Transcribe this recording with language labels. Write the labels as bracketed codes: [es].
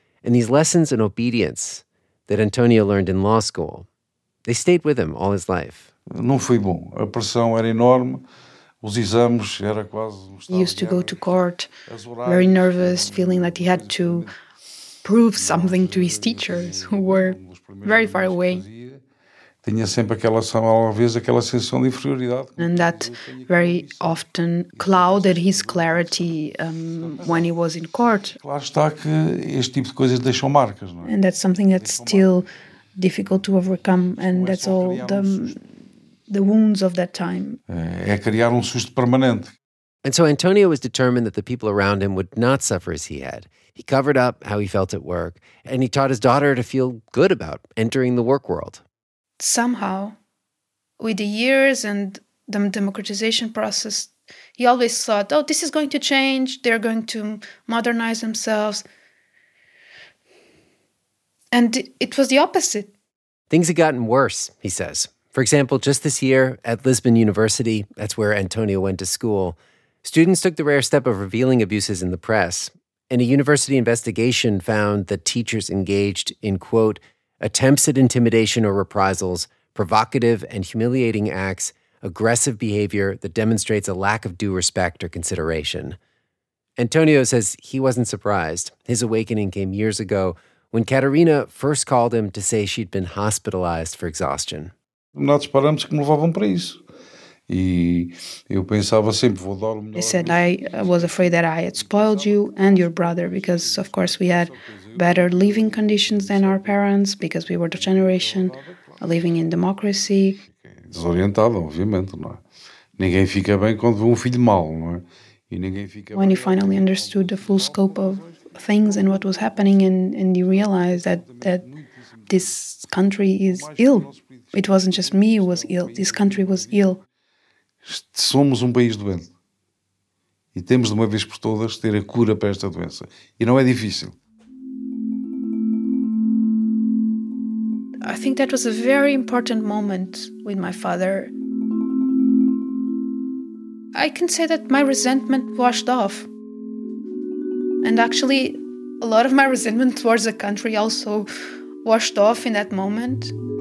[en] And these lessons in obedience that Antonio learned in law school, they stayed with him all his life. [pt] Não foi bom. A pressão era enorme. Os exames era quase... [en] He used to go to court, very nervous, feeling that he had to prove something to his teachers, who were very far away. [pt] Tinha sempre aquela, talvez, aquela sensação de inferioridade. [en] And that very often clouded his clarity when he was in court. [pt] Claro está que este tipo de coisas deixam marcas, não é? [en] And that's something that's still difficult to overcome, and that's all the wounds of that time. [pt] É criar susto permanente. [en] And so Antonio was determined that the people around him would not suffer as he had. He covered up how he felt at work, and he taught his daughter to feel good about entering the work world. Somehow, with the years and the democratization process, he always thought, oh, this is going to change. They're going to modernize themselves. And it was the opposite. Things had gotten worse, he says. For example, just this year at Lisbon University, that's where Antonio went to school, students took the rare step of revealing abuses in the press. And a university investigation found that teachers engaged in, quote, attempts at intimidation or reprisals, provocative and humiliating acts, aggressive behavior that demonstrates a lack of due respect or consideration. Antonio says he wasn't surprised. His awakening came years ago when Catarina first called him to say she'd been hospitalized for exhaustion. [pt] Nós paramos que me levavam para isso. E eu pensava sempre, vou dar o melhor. [en] He said, I was afraid that I had spoiled you and your brother because, of course, we had better living conditions than our parents because we were the generation living in democracy. [pt] Desorientado, obviamente, não é? Ninguém fica bem quando vê filho mal, não é? E ninguém fica [en] when you finally understood the full scope of things and what was happening and you realized that this country is ill. It wasn't just me who was ill. This country was ill. [pt] Somos país doente. E temos de uma vez por todas ter a cura para esta doença. E não é difícil. [en] I think that was a very important moment with my father. I can say that my resentment washed off. And actually, a lot of my resentment towards the country also washed off in that moment.